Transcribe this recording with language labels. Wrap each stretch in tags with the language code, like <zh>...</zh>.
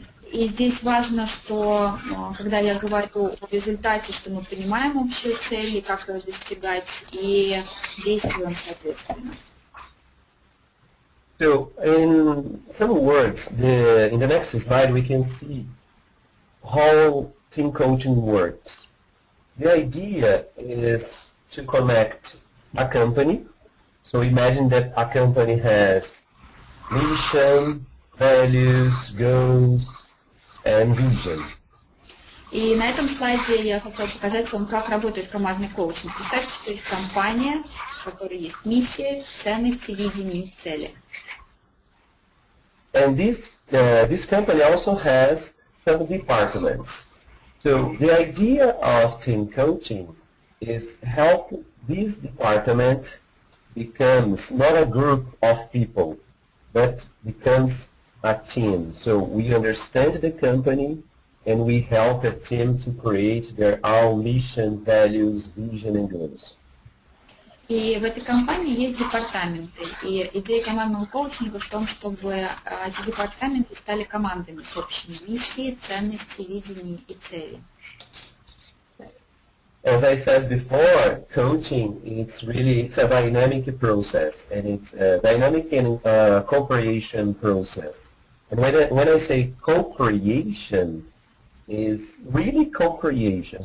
<ru>И здесь важно, что когда я говорю о результате, что мы понимаем общую цель и как ее достигать, и действуем соответственно.</ru> <en>So, in some words, in the next slide, we can see how team coaching works. The idea is to connect a company. So imagine that a company has mission, values, goals, and vision.</en> <ru>И на этом слайде я хотел показать вам, как работает командный коучинг. Представьте, что есть компания, в которой есть миссия, ценности, видение, цели.</ru> <en>And this company also has some departments. So the idea of team coaching is help this department becomes not a group of people, but becomes a team. So we understand the company and we help a team to create their own mission, values, vision and goals.</en> <ru>И в этой компании есть департаменты, и идея командного коучинга в том, чтобы эти департаменты стали командами с общими миссией, ценностями, видением и целью.</ru> <en>As I said before, coaching it's really it's a dynamic process and it's a dynamic and cooperation process. And when I say co-creation, it's really co-creation.</en>